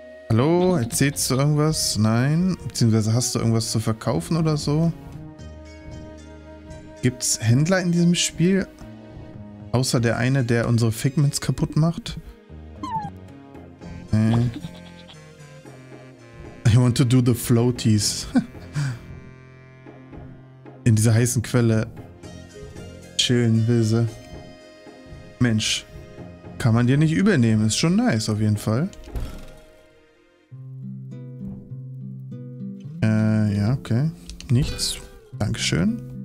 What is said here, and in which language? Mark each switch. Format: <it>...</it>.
<de>Hallo, erzählst du irgendwas? Nein. Beziehungsweise hast du irgendwas zu verkaufen oder so? Gibt's Händler in diesem Spiel? Außer der eine, der unsere Figments kaputt macht.</de> <en>I want to do the floaties.</en> <de>In dieser heißen Quelle chillen will sie. Mensch, kann man dir nicht übernehmen. Ist schon nice auf jeden Fall. Okay, nichts. Dankeschön.</de>